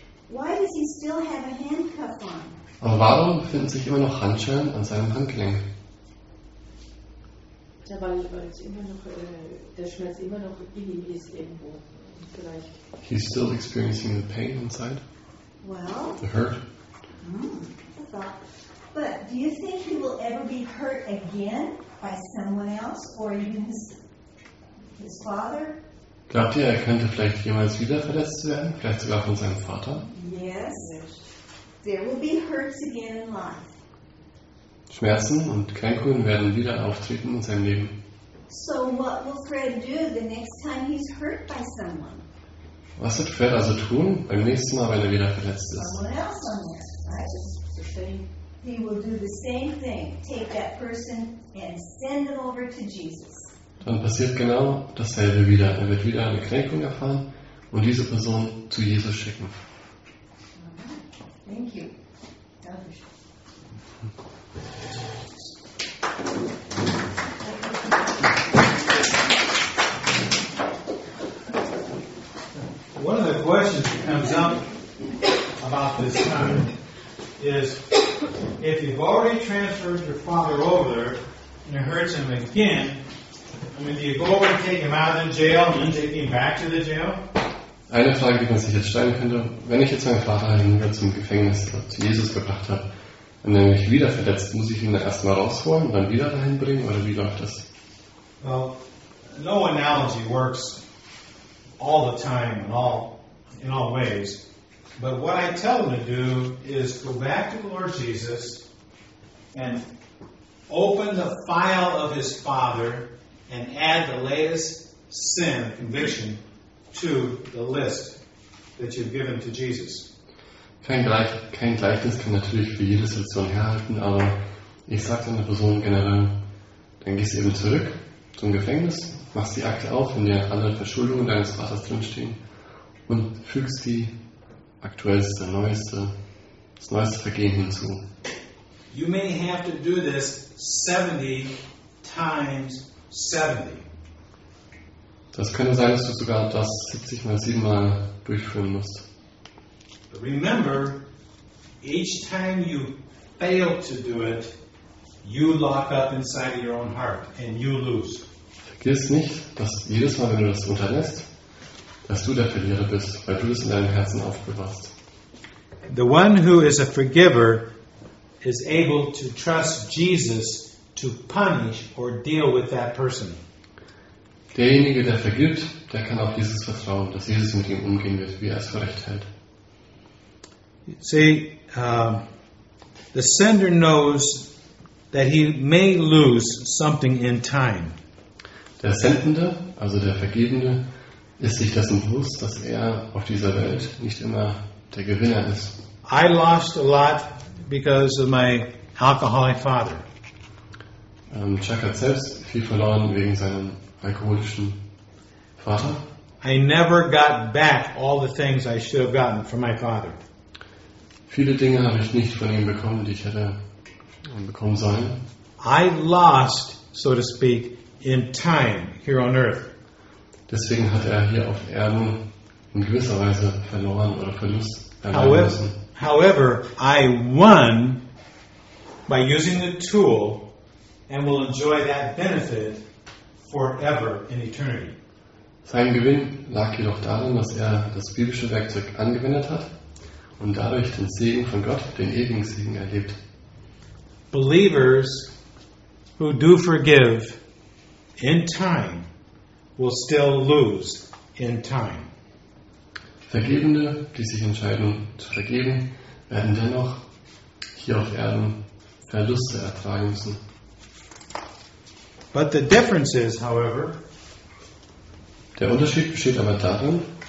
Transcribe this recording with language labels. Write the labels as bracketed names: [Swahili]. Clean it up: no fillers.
[English] Why does he still have a handcuff on? [German] Aber warum befinden sich immer noch Handschellen an seinem Handgelenk? Ja, weil es immer noch der Schmerz immer noch in ihm ist irgendwo, vielleicht. [English] He's still experiencing the pain inside. Well, the hurt. But do you think he will ever be hurt again by someone else or even his father? [German] Glaubt ihr, er könnte vielleicht jemals wieder verletzt werden? Vielleicht sogar von seinem Vater? [English] Yes. There will be hurts again in life. [German] Schmerzen und Kränkungen werden wieder auftreten in seinem Leben. [English] So what will Fred do the next time he's hurt by someone? [German] Was wird Fred also tun beim nächsten Mal, wenn er wieder verletzt ist? [English] Someone else on there, right? He will do the same thing. Take that person and send them over to Jesus. [German] Dann passiert genau dasselbe wieder. Er wird wieder eine Kränkung erfahren und diese Person zu Jesus schicken. [English] Thank you. One of the questions that comes up about this time is if you've already transferred your father over and it hurts him again, I mean, do you go over and take him out of the jail and then take him back to the jail? [German] Eine Frage, die man sich jetzt stellen könnte, wenn ich jetzt meinen Vater hinüber zum Gefängnis zu Jesus gebracht habe und er mich wieder verletzt, muss ich ihn dann erstmal rausholen und dann wieder dahin bringen oder wie läuft das? [English] Well, no analogy works all the time in all ways. But what I tell him to do is go back to the Lord Jesus and open the file of his father and add the latest sin conviction to the list that you've given to Jesus. [German] Kein Gleichnis kann natürlich für jede Situation herhalten, aber ich sage dann der Person generell, dann gehst du eben zurück zum Gefängnis, machst die Akte auf, in der alle Verschuldungen deines Vaters drinstehen und fügst die aktuellste, neueste Vergehen hinzu. [English] You may have to do this 70 times 70. [German] Das könnte sein, dass du sogar das 70 mal 7 mal durchführen musst. [English] Remember, each time you fail to do it, you lock up inside your own heart and you lose. [German] Vergiss nicht, dass jedes Mal, wenn du das unterlässt, dass du der Verlierer bist, weil du es in deinem Herzen aufbewahrst. [English] The one who is a forgiver is able to trust Jesus to punish or deal with that person. [German] Derjenige, der vergibt, der kann auf Jesus vertrauen, dass Jesus mit ihm umgehen wird, wie er es für recht hält. [English] See, the sender knows that he may lose something in time. [German] Der Sendende, also der Vergebende, ist sich dessen bewusst, dass er auf dieser Welt nicht immer der Gewinner ist. [English] I lost a lot because of my alcoholic father. [German] Chuck hat selbst viel verloren wegen seinem alkoholischen Vater. [English] I never got back all the things I should have gotten from my father. [German] Viele Dinge habe ich nicht von ihm bekommen, die ich hätte bekommen sollen. [English] I lost, so to speak, in time here on earth. [German] Deswegen hat er hier auf Erden in gewisser Weise verloren oder Verlust erleiden müssen. [English] However, I won by using the tool and will enjoy that benefit forever in eternity. [German] Sein Gewinn lag jedoch darin, dass er das biblische Werkzeug angewendet hat und dadurch den Segen von Gott, den ewigen Segen, erlebt. [English] Believers who do forgive in time will still lose in time. [German] Vergebende, die sich entscheiden zu vergeben, werden dennoch hier auf Erden Verluste ertragen müssen. [English] But the difference is, however, [German] der Unterschied besteht aber darin,